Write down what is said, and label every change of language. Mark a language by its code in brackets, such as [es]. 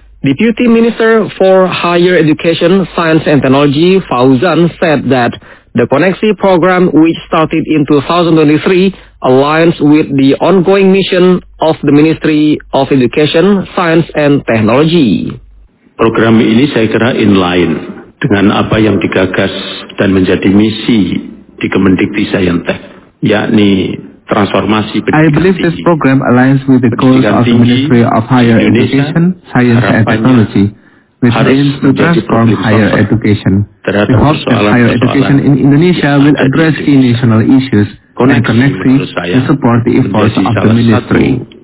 [en] Deputy Minister for Higher Education, Science and Technology Fauzan said that the CONNEXI program, which started in 2023, aligns with the ongoing mission of the Ministry of Education, Science and Technology. [id] Program ini saya kira inline dengan apa yang digagas dan menjadi misi di Kemendikti Saintek, yakni transformasi pendidikan tinggi. [en] I believe this program aligns with the goals of the Ministry of Higher Education, Science and Technology, which aims to transform higher education. We hope that higher education in Indonesia will address key national issues and connectivity to support the efforts of the ministry.